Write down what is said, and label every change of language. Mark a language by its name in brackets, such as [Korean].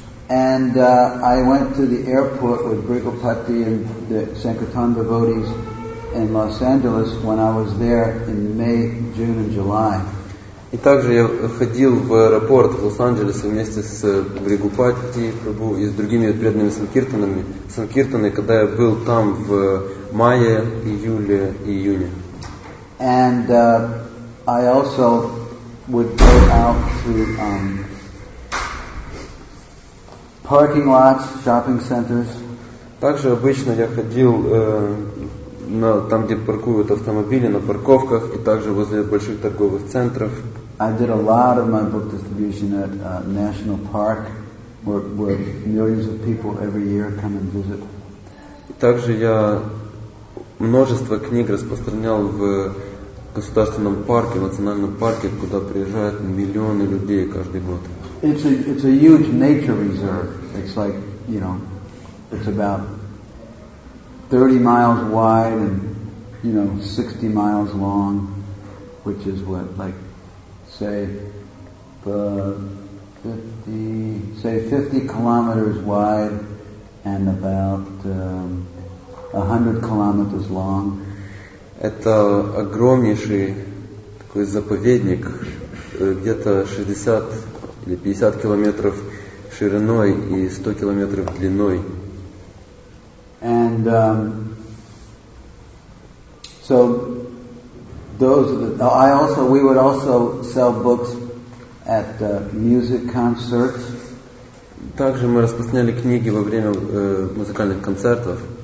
[English] And I went to the airport with Brigopati and the Sankirtan devotees in Los Angeles when I was there in May, June, and July. [Russian] И также я ходил в аэропорт в Лос-Анджелесе вместе с Бригупати Прабу и с другими преданными санкиртанами. Санкиртаны, когда я был там в мае, июле и июне. [English] And I also would go out to parking lots, shopping centers. [Russian] Также обычно я ходил на там, где паркуют автомобили, на парковках, и также возле больших торговых центров. [English] I did a lot of my book distribution at a national park, where millions of people every year come and visit. [Russian] Также я множество книг распространял в государственном парке, в национальном парке, куда приезжают миллионы людей каждый год. [English] It's a huge nature reserve. It's like, you know, it's about 30 miles wide and, you know, 60 miles long, which is what, like, say, 50 kilometers wide and about 100 kilometers long. [Russian] Это огромнейший такой заповедник, где-то 60 или 50 километров шириной и 100 километров длиной. [English] And so those are the, we would also sell books at music concerts. [Russian] Также мы распространяли книги во время музыкальных концертов.